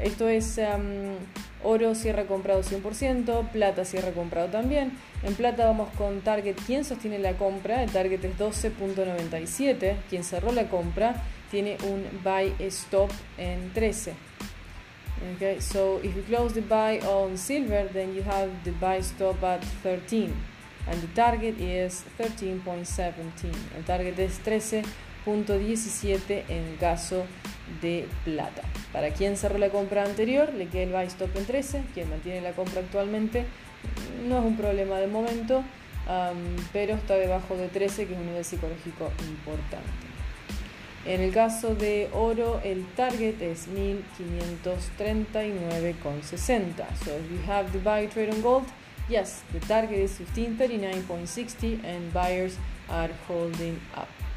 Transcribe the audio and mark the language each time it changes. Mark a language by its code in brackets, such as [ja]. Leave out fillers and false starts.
[es] Esto es oro cierra comprado 100%, plata cierra comprado también. En plata vamos con target. ¿Quién sostiene la compra? El target es 12.97. Quien cerró la compra tiene un buy stop en 13. [en] Okay, so if you close the buy on silver, then you have the buy stop at 13, and the target is 13.17. [es] El target es 13.17 en caso de plata. Para quien cerró la compra anterior, le queda el buy stop en 13. Quien mantiene la compra actualmente, no es un problema de momento, pero está debajo de 13, que es un nivel psicológico importante. En el caso de oro, el target es 1539.60. [en] So if you have the buy trade on gold, yes, the target is 1539.60 and buyers are holding up.